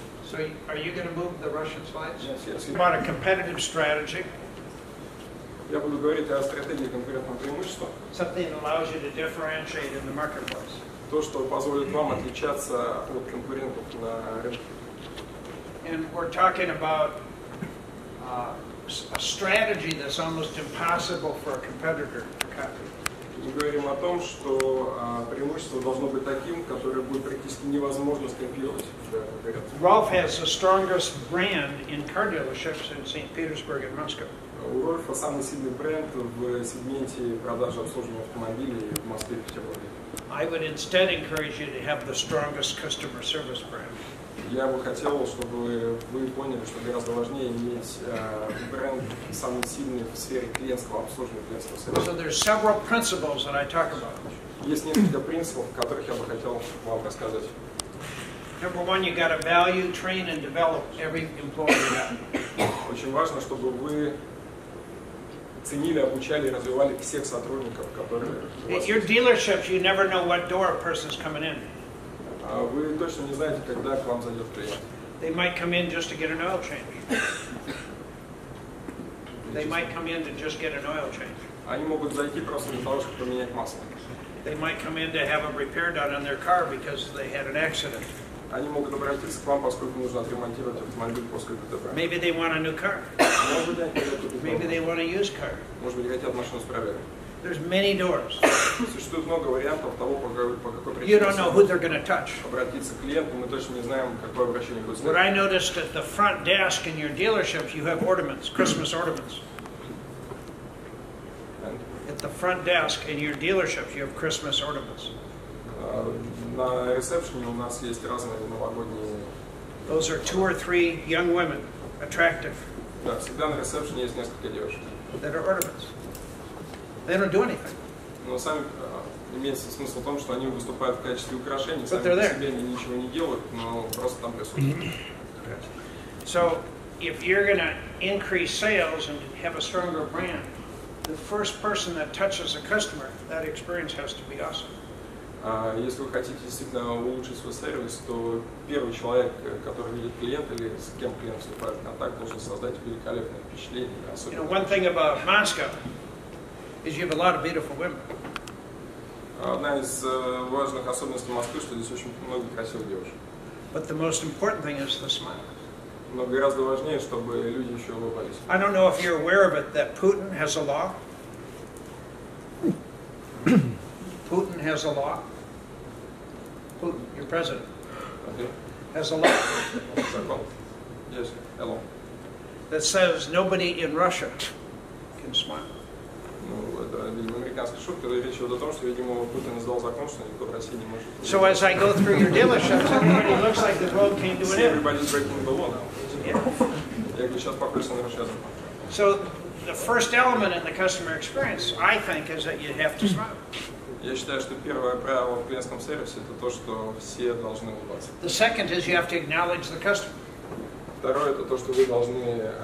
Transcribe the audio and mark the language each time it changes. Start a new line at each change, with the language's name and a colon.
English: So, are you going to move the Russian slides? Yes, yes. About a competitive strategy.
Russian: я буду говорить о стратегии конкурентного преимущества.
English: Something allows you to differentiate in the marketplace.
Russian: То, что позволит вам отличаться от конкурентов на рынке.
English: And we're talking about a strategy that's almost impossible for a competitor to copy.
Russian: Мы говорим о том, что преимущество должно быть таким, которое будет практически невозможно скопировать.
English: Rolf has the strongest brand in car dealerships in St. Petersburg and Moscow.
Russian: У Рольфа самый сильный бренд в сегменте продажи обслуженных автомобилей в Москве и Петербурге.
English: I would instead encourage you to have the strongest customer service brand.
Russian: Я бы хотел, чтобы вы поняли, что гораздо важнее иметь бренд самый сильный в сфере клиентского обслуживания, клиентского сервиса.
English: So there's several principles that I talk about.
Russian: Есть несколько принципов, о которых я бы хотел вам рассказать.
English: Number one, you gotta value, train and develop every employee.
Russian: Очень важно, чтобы вы ценили, обучали и развивали всех сотрудников, которые у вас есть.
English: Your dealerships, you never know what door a person's coming in.
Russian: Вы точно не знаете, когда к вам зайдет клиент.
English: They might come in just to get an oil change. They might come in to just get an oil change.
Russian: Они могут зайти просто для того, чтобы поменять масло.
English: They might come in to have a repair done on their car because they had an accident.
Russian: Они могут обратиться к вам, поскольку нужно отремонтировать автомобиль после ДТП.
English: Maybe they want a new car. Maybe they want a used car.
Russian: Может быть, хотят машину с пробегом.
English: There's many doors.
Russian: Существует много вариантов того, по какой причине.
English: You don't know who they're going to touch.
Russian: Обратиться к клиенту, мы точно не знаем, какое обращение будет.
English: But I noticed at the front desk in your dealership, you have ornaments, Christmas ornaments. At the front desk in your dealership, you have Christmas ornaments.
Russian: На ресепшене у нас есть разные новогодние.
English: Those are two or three young women, attractive.
Russian: Да, всегда на ресепшене есть несколько девушек.
English: That are ornaments. They don't do anything.
Russian: Но сами имеется смысл в том, что они выступают в качестве украшений. Сами по себе они ничего не делают, но просто там присутствуют.
English: So, if you're going to increase sales and have a stronger brand, the first person that touches a customer, that experience has to be awesome.
Russian: Если вы хотите действительно улучшить свой сервис, то первый человек, который видит клиента или с кем клиент вступает в контакт, должен создать великолепное впечатление.
English: You know, one thing about Moscow. Is you have a lot of beautiful women.
Russian: Одна из важных особенностей Москвы, что здесь очень много красивых девушек.
English: But the most important thing is the smile.
Russian: Но гораздо важнее, чтобы люди еще улыбались.
English: I don't know if you're aware of it that Putin has a law. Putin has a law. Putin, your president, okay. Has a law. Yes, hello. That says nobody in Russia can smile.
Russian: Американской шутки, речь идет о том, что, видимо, Путин издал закон, что никто в России не может.
English: So as I go through your dealerships, everybody looks like the world came to an end. Everybody's breaking the law now.
Russian: Я говорю, сейчас покрылся на Россию.
English: So the first element in the customer experience, I think, is that you have to smile.
Russian: Я считаю, что первое правило в клиентском сервисе это то, что все должны улыбаться.
English: The second is you have to acknowledge the customer.
Russian: Второе это то, что вы должны